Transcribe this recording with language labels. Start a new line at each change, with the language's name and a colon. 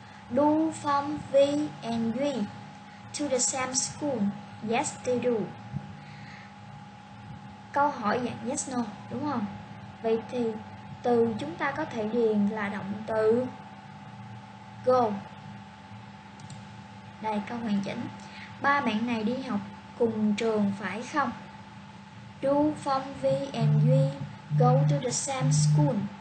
English: Do Phong, V and Duy to the same school? Yes, they do.
Vietnamese: Câu hỏi dạng yes, no, đúng không? Vậy thì từ chúng ta có thể điền là động từ go. Đây, câu hoàn chỉnh. Ba bạn này đi học cùng trường phải không?
English: Do Phong, V and Duy go to the same school?